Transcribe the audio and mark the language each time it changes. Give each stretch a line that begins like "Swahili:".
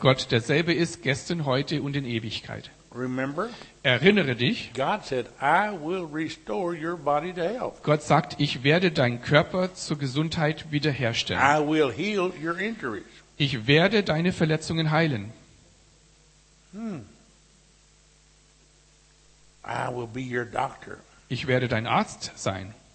German: Gott derselbe ist, gestern, heute und in Ewigkeit.
English: Remember,
German: erinnere dich,
English: God said, I will restore your body to health.
German: Gott sagt, ich werde deinen Körper zur Gesundheit wiederherstellen.
English: I will heal your injuries.
German: Ich werde deine Verletzungen heilen.
English: I will be your doctor.
German: Ich werde dein Arzt sein,